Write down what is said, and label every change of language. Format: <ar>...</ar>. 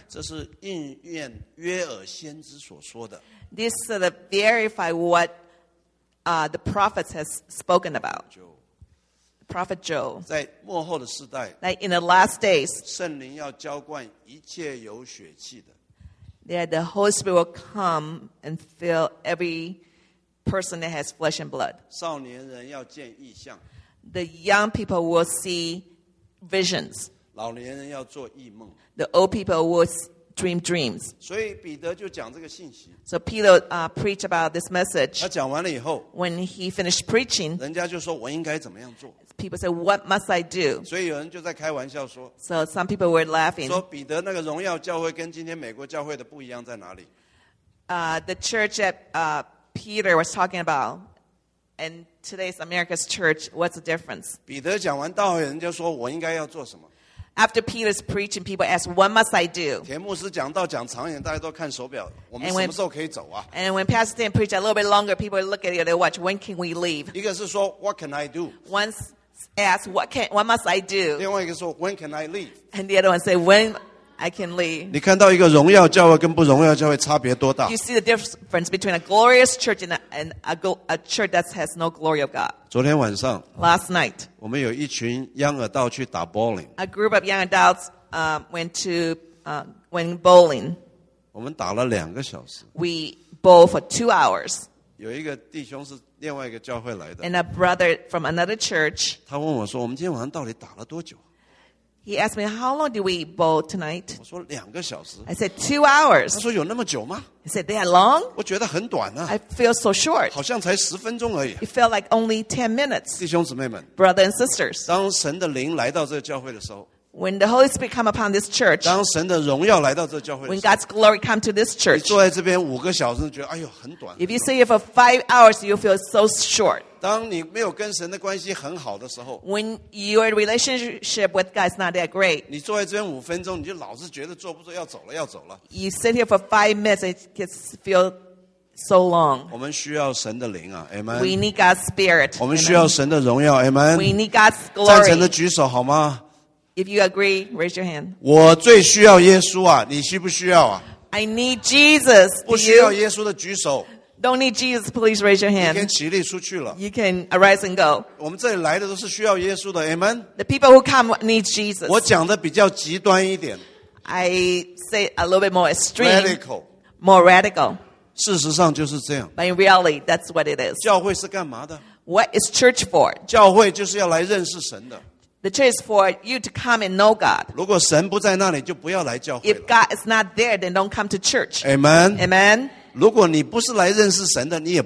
<zh>这是应验约珥先知所说的,</zh> <en>this sort of verify what the prophets has spoken about. Prophet Joel,</en> <zh>在末后的时代,</zh> <en>that in the last days,</en> <zh>圣灵要浇灌一切有血气的,</zh> <en>that the Holy Spirit will come and fill every person that has flesh and blood.</en> <zh>少年人要见异象,</zh> <en>the young people will see visions.</en> <zh>老年人要做异梦,</zh> <en>the old people will dream dreams.</en> <zh>所以彼得就讲这个信息,</zh> <en>so Peter preached about this message.</en> <zh>他讲完了以后,</zh> <en>when he finished preaching,</en> <zh>人家就说我应该怎么样做,</zh> <en>people say, what must I do?</en> <zh>所以有人就在开玩笑说,</zh> <en>so some people were laughing.</en> <zh>说彼得那个荣耀教会跟今天美国教会的不一样在哪里?</zh> <en>The church that Peter was talking about and today's America's church, what's the difference?</en> <zh>彼得讲完道后人家说我应该要做什么?</zh> <en>After Peter's preaching, people ask, what must I do?</en> <zh>田牧师讲道讲长一点,大家都看手表, 我们什么时候可以走啊?</zh> <en>And when Pastor Dan preached a little bit longer, people look at you, they watch, when can we leave?</en> <zh>一个是说,</zh> <en>what can I do? Once ask, what must I do?</en> <zh>另外一个说,</zh> <en>when can I leave? And the other one say, when I can leave.</en> <zh>你看到一个荣耀教会跟不荣耀教会差别多大?</zh> <en>You see the difference between a glorious church and a church that has no glory of God.</en> <zh>昨天晚上,</zh> <en>last night,</en> <zh>我们有一群</zh> <en>young adult</en> <zh>去打 bowling.</zh> <en>A group of young adults went bowling.</en> <zh>我们打了两个小时,</zh> <en>we bowl for 2 hours.</en> <zh>有一个弟兄是 另外一个教会来的,</zh> <en>and a brother from another church.</en> <zh>他问我说我们今天晚上到底打了多久?</zh> <en>He asked me, how long do we bowl tonight?</en> <zh>我说两个小时,</zh> <en>I said 2 hours.</en> <zh>他说有那么久吗?</zh> <en>He said they are long.</en> <zh>我觉得很短啊,</zh> <en>I feel so short.</en> <zh>好像才10分钟而已,</zh> <en>it felt like only 10 minutes.</en> <zh>弟兄姊妹们,</zh> <en>brothers and sisters,</en> <zh>当神的灵来到这个教会的时候,</zh> <en>when the Holy Spirit come upon this church,</en> <zh>当神的荣耀来到这教会的时候,</zh> <en>when God's glory come to this church,</en> <zh>你坐在这边5个小时觉得哎呦很短,</zh> <en>if you sit here for 5 hours, you feel so short.</en> <zh>当你没有跟神的关系很好的时候,</zh> <en>when your relationship with God is not that great,</en> <zh>你坐在这边5分钟你就老是觉得坐不住要走了要走了,</zh> <en>you sit here for 5 minutes, it gets feel so long.</en> <zh>我们需要神的灵啊, Amen.</zh> <en>We need God's spirit.</en> <zh>我们需要神的荣耀, Amen.</zh> <en>We need God's glory.</en> <zh>赞成的举手好吗?</zh> <en>If you agree, raise your hand.</en> <zh>我最需要耶稣啊, 你需不需要啊?</zh> <en>I need Jesus.</en> <zh>不需要耶稣的举手。</zh> <en>Don't need Jesus, please raise your hand.</en> <zh>你可以起立出去了。</zh> <en>You can arise and go.</en> <zh>我们这里来的都是需要耶稣的, Amen.</zh> <en>The people who come need Jesus.</en> <zh>我讲的比较极端一点。</zh> <en>I say a little bit more extreme. Radical. More radical.</en> <zh>事实上就是这样。</zh> <en>But in reality, that's what it is.</en> <zh>教会是干嘛的?</zh> <en>What is church for?</en> <zh>教会就是要来认识神的。</zh> <en>The church is for you to come and know God.</en> <zh>如果神不在那里,</zh> <en>if God is not there, then don't come to church. Amen. Amen.</en> <zh>如果你不是来认识神的,</zh>